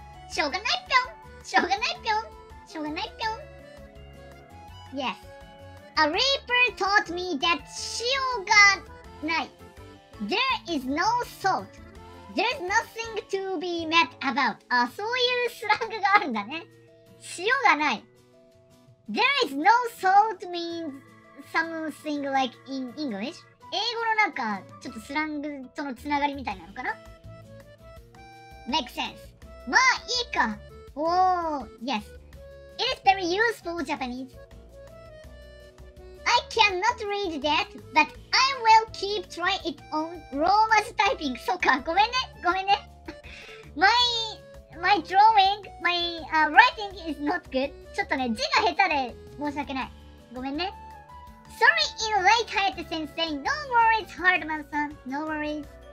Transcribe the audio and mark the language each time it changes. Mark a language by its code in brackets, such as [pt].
[ja] しょうがないぴょん、しょうがないぴょん、しょうがないぴょん。 [en] Yes, a reaper taught me that [ja] 塩がない。 [en] There is no salt. There's nothing to be mad about. [ja] あ、そういうスラングがあるんだね。塩がない。 [en] There is no salt means something like in English. [ja] 英語のなんかちょっとスラングとのつながりみたいなのかな。 [en] Makes sense. [ja] まあいいか。 [en] Oh, yes. It is very useful Japanese. I cannot read that, but I will keep trying it on Roman typing. [ja] そうか、ごめんね、ごめんね。 [en] my drawing, my writing is not good. [ja] ちょっとね、字が下手で申し訳ない。ごめんね。 [en] Sorry, in late Hayate sensei. No worries, Hardman-san. No worries.